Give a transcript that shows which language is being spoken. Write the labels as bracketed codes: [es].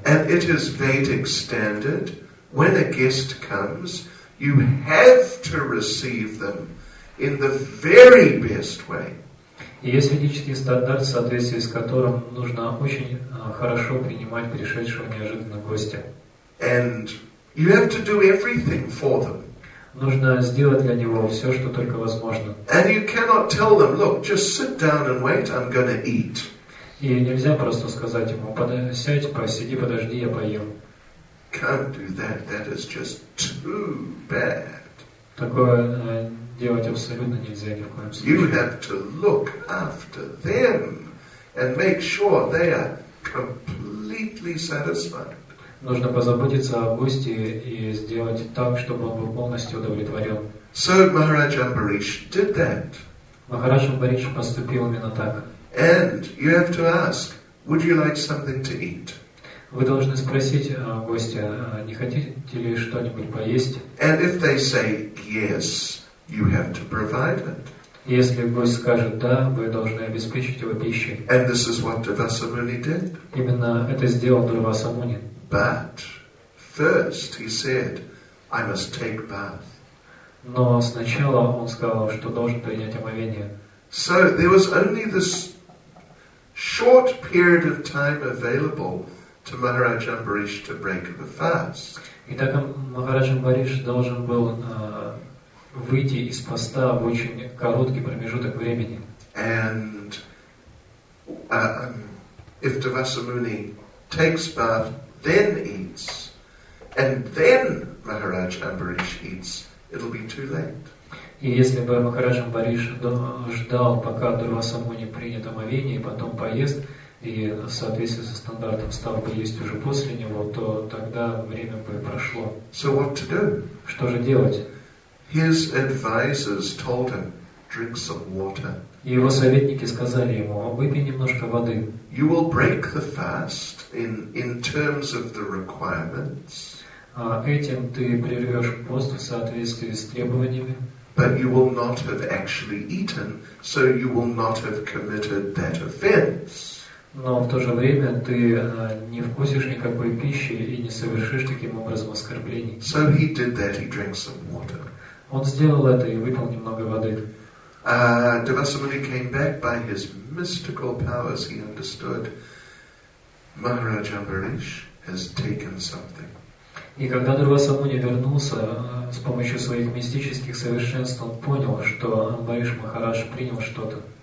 [en] And it is Vedic standard, when a guest comes, you have to receive them in the very best way. [ru] И есть ведический стандарт, в соответствии с которым нужно очень хорошо принимать пришедшего неожиданно гостя. [en] And you have to do everything for them. [ru] Нужно сделать для него все, что только возможно. [en] And you cannot tell them, look, just sit down and wait, I'm going to eat. [ru] И нельзя просто сказать ему, сядь, посиди, подожди, я поем. [en] Can't do that, that is just too bad. [ru] Такое делать абсолютно нельзя ни в коем случае. [en] You have to look after them and make sure they are completely satisfied. [ru] Нужно позаботиться о гости и сделать так, чтобы он был полностью удовлетворен. [en] So Maharaj Ambarish did that. [ru] Махарадж Амбариш поступил именно так. [en] And you have to ask, would you like something to eat? [ru] Вы должны спросить гостя, не хотите ли что-нибудь поесть? [en] And if they say yes, you have to provide it. [ru] Если гость скажет да, вы должны обеспечить его пищей. [en] And this is what Durvasamuni did. [ru] Именно это сделал Дурвасамуни. [en] But first he said, I must take bath. [ru] Но сначала он сказал, что должен принять омовение. [en] So there was only this short period of time available to Maharaj Ambarish to break the fast. [ru] Итак, Махарадж Амбариш должен был выйти из поста в очень короткий промежуток времени. [en] And If Devasamuni takes bath, then eats, and then Maharaj Ambarish eats, it'll be too late. [ru] И если бы Махарадж Амбариш ждал, пока Дурвасамуни принят омовение, и потом поест, и в соответствии со стандартом стал бы есть уже после него, то тогда время бы прошло. [en] So what to do? [ru] Что же делать? [en] His advisors told him, drink some water. [ru] Его советники сказали ему, выпей немножко воды. [en] You will break the fast in terms of the requirements. [ru] Этим ты прервешь пост в соответствии с требованиями. [en] But you will not have actually eaten, so you will not have committed that offense. [ru] Но в то же время ты не вкусишь никакой пищи и не совершишь таким образом оскорблений. [en] So he did that, he drank some water. [ru] Он сделал это и выпил немного воды. [en] Devasamuni came back by his mystical powers. He understood Maharaj Ambarish has taken something. [ru] И когда Дурвасамуни вернулся, с помощью своих мистических совершенств он понял, что Амбариш Махарадж принял что-то.